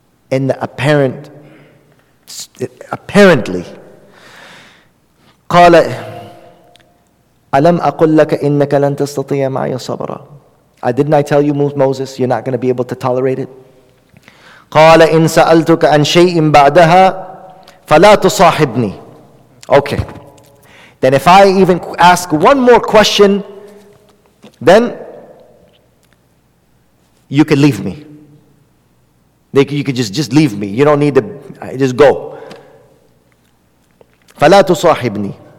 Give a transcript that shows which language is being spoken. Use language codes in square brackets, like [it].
[en] And the apparent, apparently, [ar] قال ألم أقول لك إنك لن تستطيع معي صبرا. [en] Didn't I tell you, Moses, you're not going to be able to tolerate it? [ar] قال إن سألتك عن شيء بعدها فلا تصاحبني. [en] Okay. Then if I even ask one more question, then you can leave me. You could just leave me. You don't need to, just go. [ar] فلا تصاحبني.